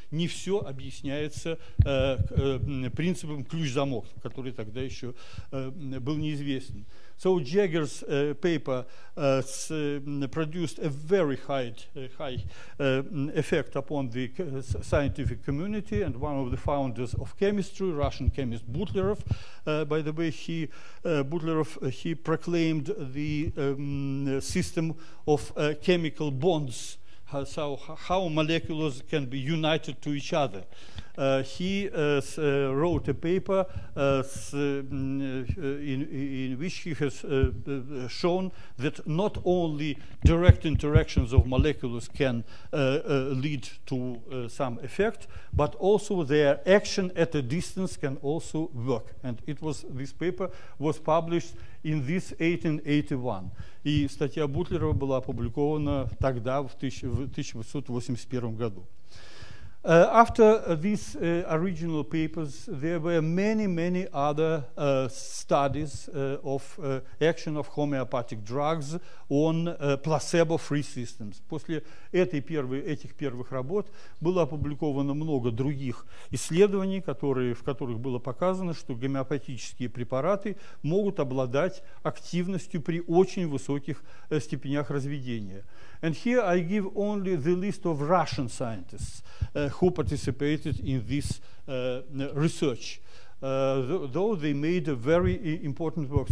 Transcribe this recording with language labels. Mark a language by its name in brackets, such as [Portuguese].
[Russian] Не все объясняется принципом ключ-замок, который тогда еще был неизвестен. [English] So Jagger's paper produced a very high effect upon the scientific community, and one of the founders of chemistry, Russian chemist Butlerov, by the way, he proclaimed the system of chemical bonds, so how molecules can be united to each other. He wrote a paper in which he has shown that not only direct interactions of molecules can lead to some effect, but also their action at a distance can also work. And this paper was published in this 1881. [Russian] И статья Бутлерова была опубликована тогда, в 1881 году. [English] After these original papers, there were many, many other studies of action of homeopathic drugs on placebo-free systems. [Russian] После этих первых работ было опубликовано много других исследований, в которых было показано, что гомеопатические препараты могут обладать активностью при очень высоких степенях разведения. [English] And here I give only the list of Russian scientists who participated in this research, though they made a very important works.